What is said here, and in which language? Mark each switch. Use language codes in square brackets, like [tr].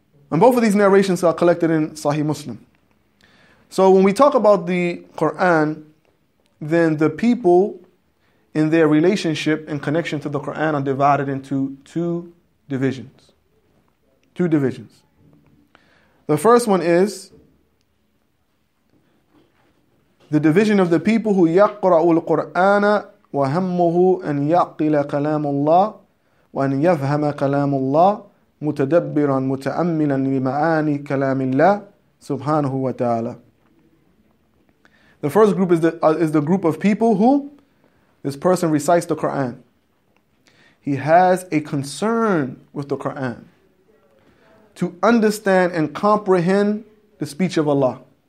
[en] And both of these narrations are collected in Sahih Muslim. So when we talk about the Quran, then the people in their relationship and connection to the Quran are divided into two divisions. Two divisions. The first one is the division of the people who [ar] يقرأ القرآن وهمه أن يعقل كلام الله وأن يفهم كلام الله متدبرا متأملا لمعاني كلام الله سبحانه وتعالى. [en] The first group is the group of people who, this person recites the Quran. He has a concern with the Quran to understand and comprehend the speech of Allah.